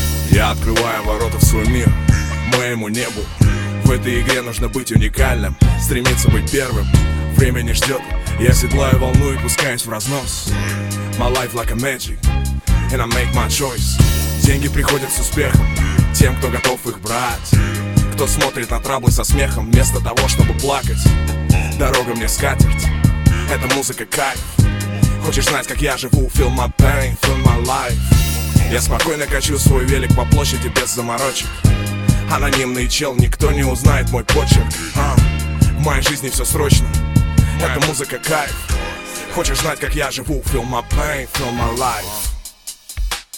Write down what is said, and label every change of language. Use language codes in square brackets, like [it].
[ru] Я открываю ворота в свой мир, моему небу. В этой игре нужно быть уникальным, стремиться быть первым. Время не ждет, я седлаю волну и пускаюсь в разнос. [en] My life like a magic, and I make my choice. [ru] Деньги приходят с успехом, тем, кто готов их брать. Кто смотрит на траблы со смехом, вместо того, чтобы плакать. Дорога мне скатерть, это музыка кайф. Хочешь знать, как я живу? [en] Feel my pain, feel my life. [ru] Я спокойно качу свой велик по площади без заморочек. Анонимный чел, никто не узнает мой почерк. В моей жизни все срочно, это музыка кайф. Хочешь знать, как я живу? [en] Feel my pain, feel my life.